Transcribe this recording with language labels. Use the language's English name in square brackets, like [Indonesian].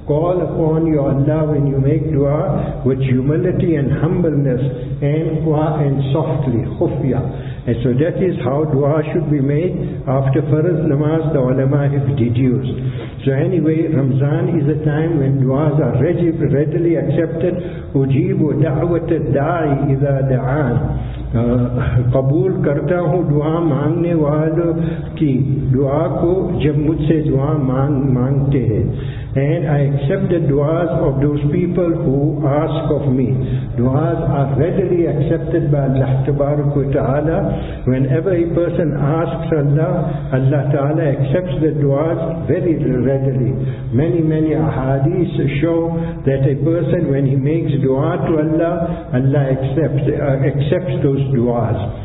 [English] Call upon your Allah when you make dua with humility and humbleness, and softly, khufiya. And so that is how dua should be made after farz namaz, the ulama have deduced. So anyway, Ramzan is a time when duas are readily accepted. [Arabic] Ujibu da'wat da'i idha da'an. [Urdu] قبول کرتا ہوں دعا مانگنے والوں کی دعا کو جب مجھ سے دعا مانگتے ہیں. [English] And I accept the duas of those people who ask of me. Duas are readily accepted by Allah Ta'ala. Whenever a person asks Allah, Allah Ta'ala accepts the duas very readily. Many, many ahadiths show that a person, when he makes dua to Allah, Allah accepts those duas.